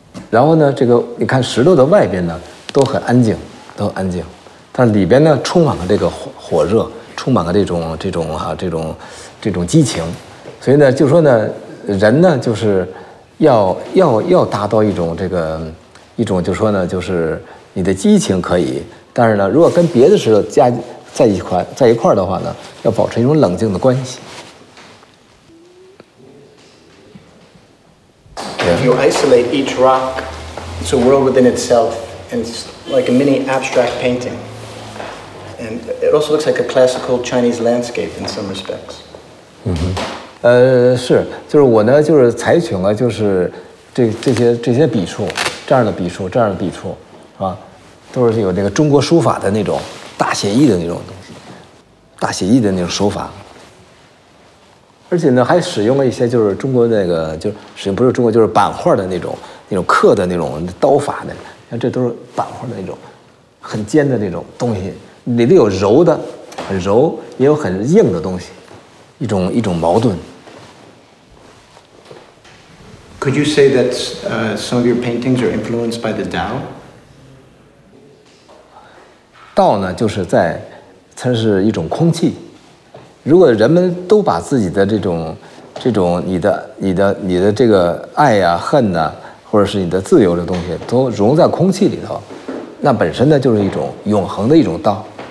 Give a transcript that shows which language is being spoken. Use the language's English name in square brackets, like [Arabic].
[Chinese] 然后呢，这个你看石头的外边呢都很安静，都很安静，但里边呢充满了这个 火热，充满了这种激情，所以呢，就说呢，人呢就是要达到一种这个一种，就说呢，就是你的激情可以，但是呢，如果跟别的石头加在一块的话呢，要保持一种冷静的关系。 [English] You isolate each rock; it's a world within itself, and it's like a mini abstract painting. And it also looks like a classical Chinese landscape in some respects. [Chinese] 嗯哼，是，就是我呢，就是采取了就是这些笔触，这样的笔触，是吧？都是有那个中国书法的那种大写意的那种东西，大写意的那种手法。而且呢，还使用了一些就是中国那个，就是使用不是中国，就是版画的那种刻的那种刀法的，像这都是版画的那种，很尖的那种东西，里面有柔的，很柔，也有很硬的东西，一种矛盾。 [English] Could you say that some of your paintings are influenced by the Tao? [Chinese] Tao 呢，就是在，它是一种空气。如果人们都把自己的这种你的这个爱呀、恨呐、或者是你的自由的东西都融在空气里头，那本身呢就是一种永恒的一种道。